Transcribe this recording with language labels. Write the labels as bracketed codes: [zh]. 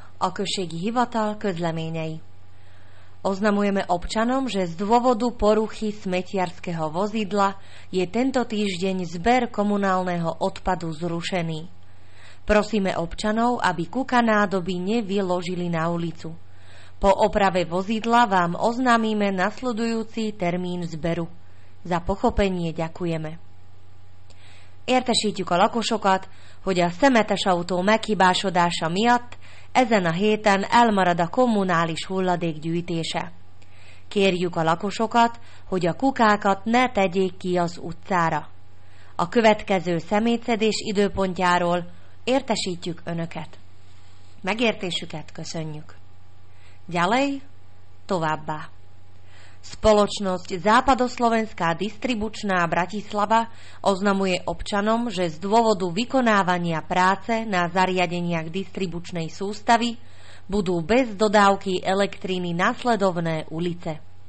[hu] Okršiek Hivatal, Közleményei. [sk] Oznamujeme občanom, že z dôvodu poruchy smetiarského vozidla je tento týždeň zber komunálneho odpadu zrušený. Prosíme občanov, aby kuka nádoby nevyložili na ulicu. Po oprave vozidla vám oznámime nasledujúci termín zberu. Za pochopenie ďakujeme. [hu] Értesítjük a lakosokat, hogy a szemetes autó meghibásodása miatt ezen a héten elmarad a kommunális hulladék gyűjtése. Kérjük a lakosokat, hogy a kukákat ne tegyék ki az utcára. A következő szemétszedés időpontjáról értesítjük önöket. Megértésüket köszönjük. [sk] Ďalej, [hu] továbbá. [sk] Spoločnosť Západoslovenská distribučná Bratislava oznamuje občanom, že z dôvodu vykonávania práce na zariadeniach distribučnej sústavy budú bez dodávky elektriny nasledovné ulice.